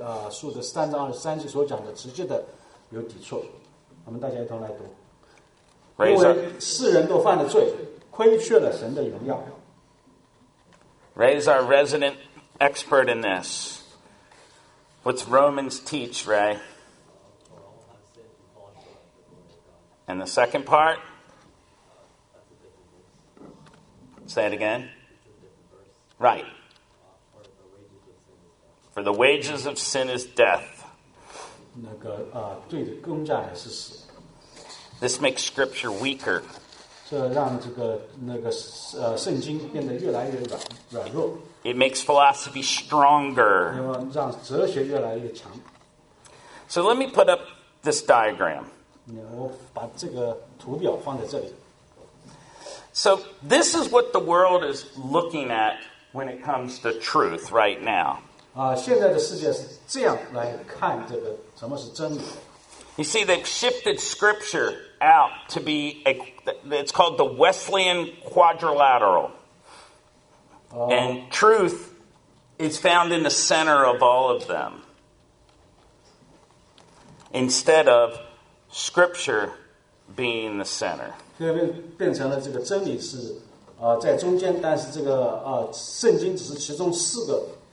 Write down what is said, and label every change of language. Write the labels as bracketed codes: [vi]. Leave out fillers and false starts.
[zh] 书的三章二十三节所讲的直接的有抵触，我们大家一同来读。因为世人都犯了罪，亏缺了神的荣耀。 [en] Ray's our resident expert in this. What's Romans teach, Ray? And the second part? Say it again. Right. For the wages of sin is death. [zh] 那个罪的工价是死。 [en] This makes scripture weaker. [zh] 这让这个那个圣经变得越来越软弱。 [en] It makes philosophy stronger. [zh] 让哲学越来越强。 [en] So let me put up this diagram. [zh] 我把这个图表放在这里。 [en] So this is what the world is looking at when it comes to truth right now. [zh] 现在的世界是这样来看这个什么是真理。 [en] You see, they've shifted scripture out to be it's called the Wesleyan quadrilateral. And truth is found in the center of all of them. Instead of scripture being the center. [zh] 这边变成了这个真理是在中间，但是这个圣经只是其中四个。